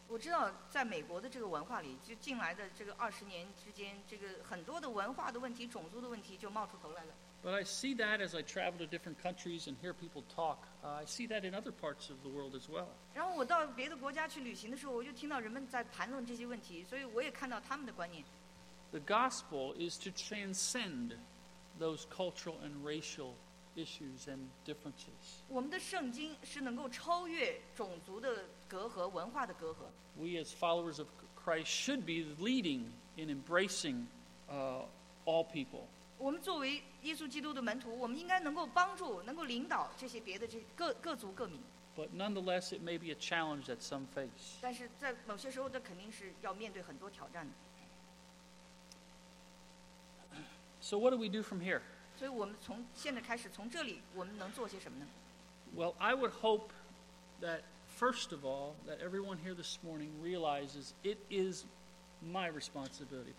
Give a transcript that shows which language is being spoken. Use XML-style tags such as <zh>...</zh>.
<zh>我知道在美国的这个文化里，就进来的这个二十年之间，这个很多的文化的问题、种族的问题就冒出头来了。</zh> <en>But I see that as I travel to different countries and hear people talk. I see that in other parts of the world as well.</en> <zh>然后我到别的国家去旅行的时候，我就听到人们在谈论这些问题，所以我也看到他们的观念。</zh> <en>The gospel is to transcend those cultural and racial issues and differences.</en> <zh>我们的圣经是能够超越种族的隔阂、文化的隔阂。</zh> <en>We as followers of Christ should be leading in embracing all people.</en> <zh>我们作为耶稣基督的门徒，我们应该能够帮助、能够领导这些别的这各族各民。</zh> <en>But nonetheless, it may be a challenge that some face.</en> <zh>但是在某些时候，这肯定是要面对很多挑战的。</zh> <en>So what do we do from here?</en> <zh>所以我们从现在开始，从这里我们能做些什么呢？</zh> <en>Well, I would hope that, first of all, that everyone here this morning realizes it is my responsibility.</en>